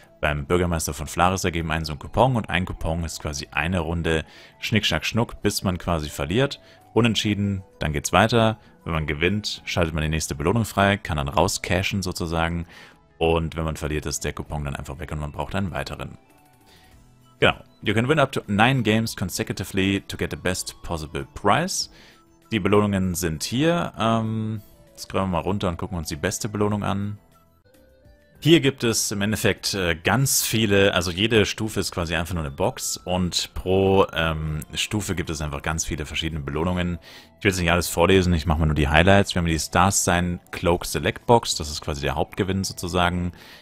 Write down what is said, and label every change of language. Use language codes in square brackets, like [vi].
[de] Beim Bürgermeister von Flaris ergeben einen so einen Coupon und ein Coupon ist quasi eine Runde Schnickschnack-Schnuck, bis man quasi verliert. Unentschieden, dann geht's weiter. Wenn man gewinnt, schaltet man die nächste Belohnung frei, kann dann rauscashen sozusagen. Und wenn man verliert, ist der Coupon dann einfach weg und man braucht einen weiteren. Genau. [en] You can win up to 9 games consecutively to get the best possible prize. [de] Die Belohnungen sind hier. Jetzt scrollen wir mal runter und gucken uns die beste Belohnung an. Hier gibt es im Endeffekt ganz viele, also jede Stufe ist quasi einfach nur eine Box und pro Stufe gibt es einfach ganz viele verschiedene Belohnungen. Ich will jetzt nicht alles vorlesen, ich mache mal nur die Highlights. Wir haben die Stars sein Cloak Select Box, das ist quasi der Hauptgewinn sozusagen.